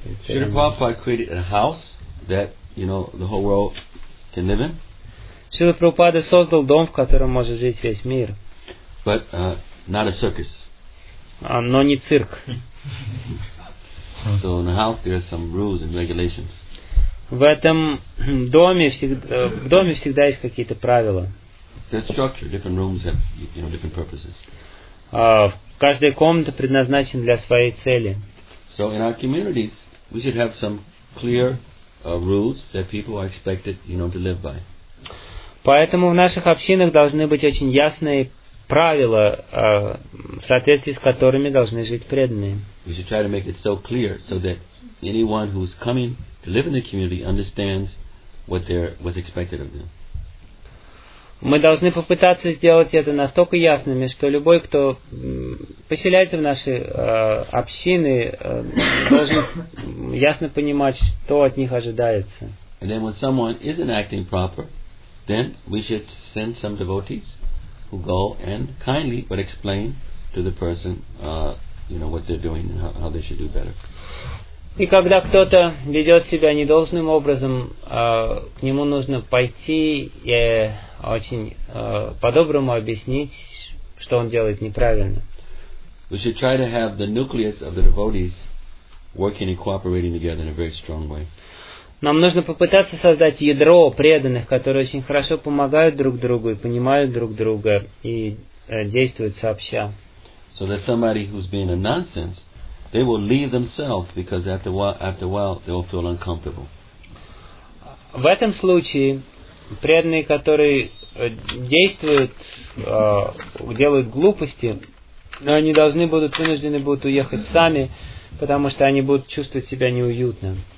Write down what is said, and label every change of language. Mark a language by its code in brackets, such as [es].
[en] Srila Prabhupada created a house that the whole world can live in. [ru] Srila Prabhupada создал дом, в котором может жить весь мир. [en] But not a circus. [ru] Но не цирк. [en] So in the house there are some rules and regulations. [ru] В этом доме всегда есть какие-то правила. [en] There's structure. Different rooms have different purposes. [ru] Каждая комната предназначена для своей цели. [en] So in our communities we should have some clear rules that people are expected, to live by. [ru] Поэтому в наших общинах должны быть очень ясные правила, в соответствии с которыми должны жить преданные. [en] We should try to make it so clear so that anyone who's coming to live in the community understands what's expected of them. [ru] Мы должны попытаться сделать это настолько ясными, что любой, кто поселяется в наши общины, должен ясно понимать, что от них ожидается. [en] And then when someone isn't acting proper, then we should send some devotees who go and kindly but explain to the person what they're doing and how they should do better. [ru] И когда кто-то ведет себя недолжным образом, к нему нужно пойти и очень по-доброму объяснить, что он делает неправильно. [en] We should try to have the nucleus of the devotees working and cooperating together in a very strong way. [ru] Нам нужно попытаться создать ядро преданных, которые очень хорошо помогают друг другу и понимают друг друга и действуют сообща. [en] So that somebody who's being a nonsense, they will leave themselves because after a while they will feel uncomfortable. [ru] В этом случае преданные, которые действуют, делают глупости, но они должны будут вынуждены будут уехать сами, потому что они будут чувствовать себя неуютно.